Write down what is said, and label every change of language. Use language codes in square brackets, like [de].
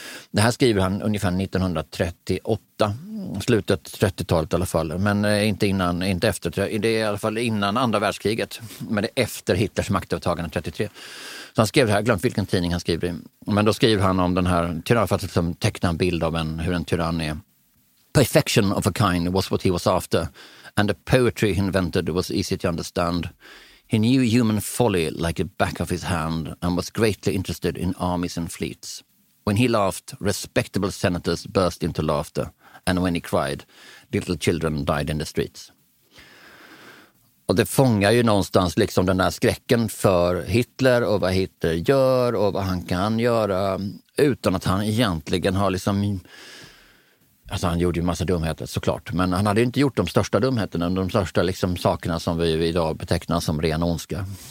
[sv] Det här skriver han ungefär 1938, slutet 30-talet i alla fall, men inte innan, inte efter, det är i alla fall innan andra världskriget, men det är efter Hitlers maktövertagande 33. Så han skrev det här, glömt vilken tidning han skriver i, men då skriver han om den här tyrannen, för att liksom teckna en bild av en, hur en tyrann är. [en] Perfection of a kind was what he was after, and the poetry he invented was easy to understand. He knew human folly like the back of his hand, and was greatly interested in armies and fleets. When he laughed, respectable senators burst into laughter, and when he cried, little children died in the streets. [sv] Och det fångar ju någonstans liksom den där skräcken för Hitler och vad Hitler gör och vad han kan göra, utan att han egentligen har liksom, alltså han gjorde ju massa dumheter såklart, men han hade ju inte gjort de största dumheterna, de största liksom sakerna som vi idag betecknar som ren ondska.